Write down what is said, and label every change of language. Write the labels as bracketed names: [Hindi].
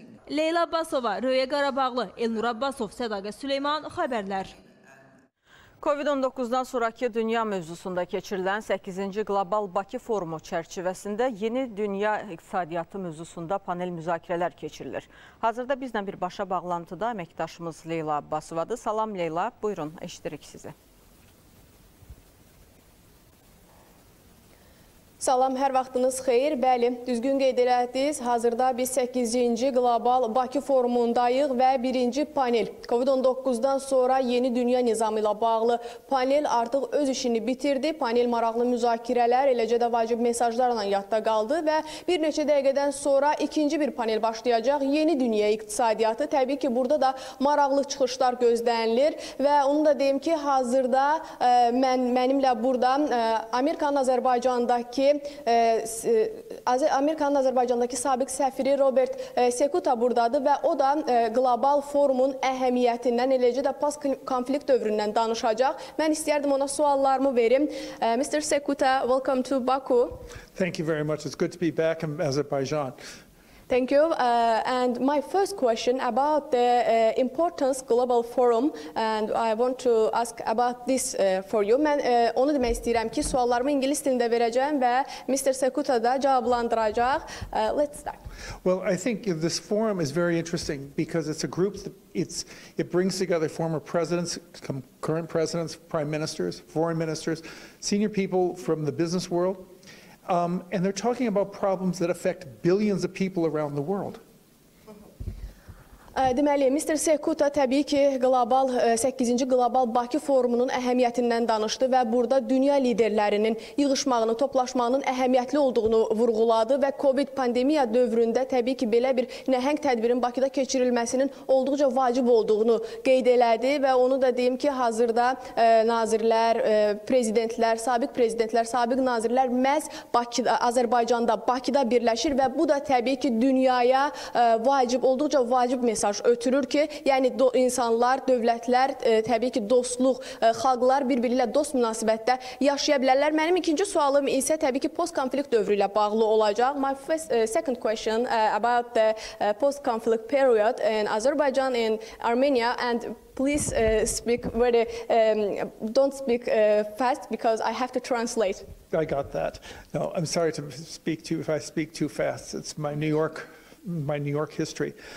[Azerbaijani] Leyla Abbasova, Röyə Qarabağlı, Elnur Abbasov, Sədaqə Süleyman, Xəbərlər. COVID-19'dan sonraki dünya mövzusunda keçirilən 8-ci Global Bakı Forumu çərçivəsində yeni dünya iqtisadiyyatı mövzusunda panel müzakirələr keçirilir. Hazırda bizlə birbaşa bağlantıda əməkdaşımız Leyla Abbasovadır. Salam Leyla, buyurun, eşidirik sizi. Salam, hər vaxtınız xeyir. Bəli, düzgün qeyd elədiniz. Hazırda biz 8-ci Global Bakı Forumundayıq və birinci panel COVID-19'dan sonra yeni dünya nizamı ilə bağlı panel artıq öz işini bitirdi. Panel maraqlı müzakirələr, eləcə də vacib mesajlarla yadda qaldı və bir neçə dəqiqədən sonra ikinci bir panel başlayacaq. Yeni dünya iqtisadiyyatı. Təbii ki, burada da maraqlı çıxışlar gözlənilir və onu da deyim ki, hazırda mənimlə burada Amerikanın Azərbaycandakı sabiq səfiri Robert Sekuta buradadır və o da qlobal forumun əhəmiyyətindən, eləcə də post-konflikt dövründən danışacaq. Mən istəyərdim ona suallarımı verim. [English] Mr. Sekuta, welcome to Baku. Thank you very much. It's good to be back in Azerbaijan. Thank you. And my first question about the importance global forum, and I want to ask about this for you. [Azerbaijani] Mən onu demək istəyirəm ki, suallarımı ingilis dilində verəcəm və Mr. Sekuta da cavablandıracaq. [English] Let's start. Well, I think this forum is very interesting because it's a group that it brings together former presidents, current presidents, prime ministers, foreign ministers, senior people from the business world. And they're talking about problems that affect billions of people around the world. [Azerbaijani] Deməli, Mr. Sekuta təbii ki, 8-ci Qlobal Bakı Forumunun əhəmiyyətindən danışdı və burada dünya liderlərinin yığışmağını, toplaşmağının əhəmiyyətli olduğunu vurguladı və COVID pandemiya dövründə təbii ki, belə bir nəhəng tədbirin Bakıda keçirilməsinin olduqca vacib olduğunu qeyd elədi və onu da deyim ki, hazırda nazirlər, prezidentlər, sabiq nazirlər məhz Bakıda, Azərbaycanda, Bakıda birləşir və bu da təbii ki, dünyaya vacib, olduqca vacib mesaj ötürür ki, yəni insanlar, dövlətlər, təbii ki, dostluq, xalqlar bir-biri ilə dost münasibətdə yaşaya bilərlər. Mənim ikinci sualım isə təbii ki, post-konflikt dövrü ilə bağlı olacaq. [English] My first, second question about the post-conflict period in Azerbaijan and Armenia, and please speak very, don't speak fast because I have to translate. I got that. No, I'm sorry to speak too, if I speak too fast. It's my New York history.